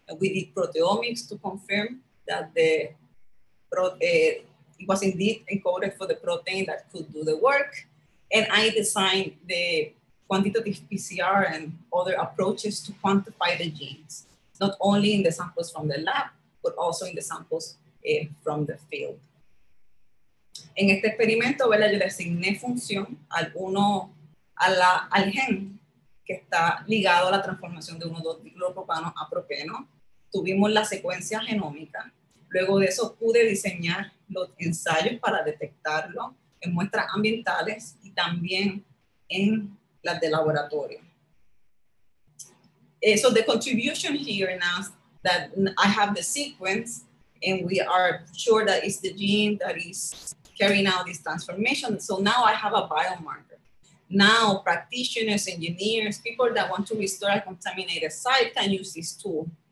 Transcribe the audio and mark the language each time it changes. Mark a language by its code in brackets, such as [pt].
[en] We did proteomics to confirm that the it was indeed encoded for the protein that could do the work. And I designed the quantitative PCR and other approaches to quantify the genes, not only in the samples from the lab, but also in the samples from the field. [es] En este experimento, ¿verdad? Yo le asigné función al uno, al gen que está ligado a la transformación de 1,2-dichloropropano a propeno. Tuvimos la secuencia genómica. Luego de eso pude diseñar los ensayos para detectarlo en muestras ambientales y también en las de laboratorio. [en] So the contribution here now that I have the sequence and we are sure that it's the gene that is carrying out this transformation. So now I have a biomarker. Now practitioners, engineers, people that want to restore a contaminated site can use this tool.